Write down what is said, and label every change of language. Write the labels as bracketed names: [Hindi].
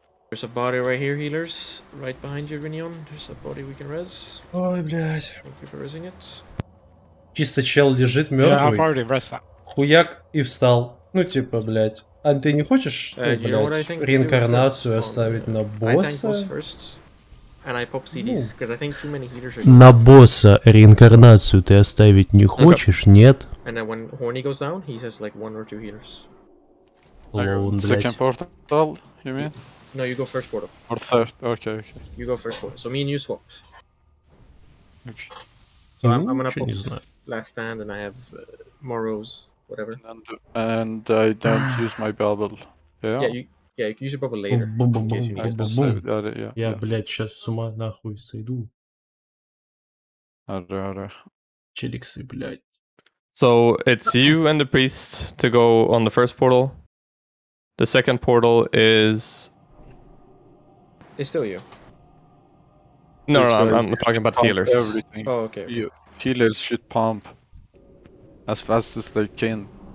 [English] There's a body right here, healers. Right behind you, Rinion. There's a body we can res. [Russian] Ой, блядь. [English] Thank you for resing it. [Russian] Чисто чел лежит мертвый. [English] Yeah, I've already res that. [Russian] Хуяк и встал. Ну типа, блядь. А ты не хочешь, что, блядь, [English] you know [Russian] реинкарнацию оставить на босса? [English] I tank boss first. And I pop CDs, because I think too many healers are... [Russian] На босса реинкарнацию ты оставить не хочешь, okay. Нет? [English] And then when Horny goes down, he says like one or two healers. [Russian] Лоун, блядь. [English] Second portal, you mean? Yeah. No, you go first portal. Or third, okay. You go first portal. So me and you swap. Okay. So I'm gonna pop last stand and I have Morrow's, whatever. And I don't use my bubble. Yeah, you can use your bubble later. Boom, boom, boom, boom, boom, boom. Yeah, [Russian] блядь, сейчас с ума нахуй сойду. Ара. Челиксы, блядь. [English] So it's you and the priest to go on the first portal. The second portal is... It's still you. No, I'm talking about healers. Everything. Oh, okay. You, healers should pump as fast as they can.